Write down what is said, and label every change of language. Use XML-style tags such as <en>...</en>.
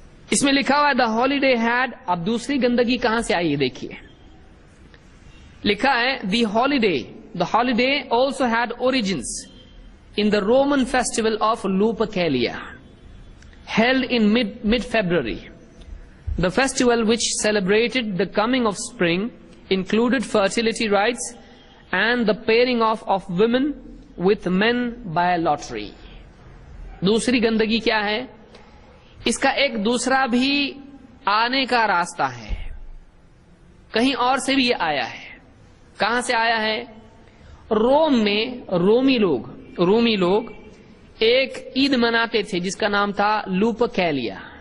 <ur>اس میں لکھا ہوا ہے</ur> <en>the holiday had,</en> <ur>اب دوسری گندگی کہاں سے آئی ہے دیکھیے، لکھا ہے دی holiday,</ur> <en>The holiday also had origins in the Roman festival of Lupercalia held in mid-February. The festival which celebrated the coming of spring included fertility rites and the pairing off of women with men by a lottery.</en> <ur>دوسری گندگی کیا ہے؟ اس کا ایک دوسرا بھی آنے کا راستہ ہے، کہیں اور سے بھی یہ آیا ہے۔ کہاں سے آیا ہے؟ روم میں رومی لوگ ایک عید مناتے تھے جس کا نام تھا لوپکیلیا۔</ur>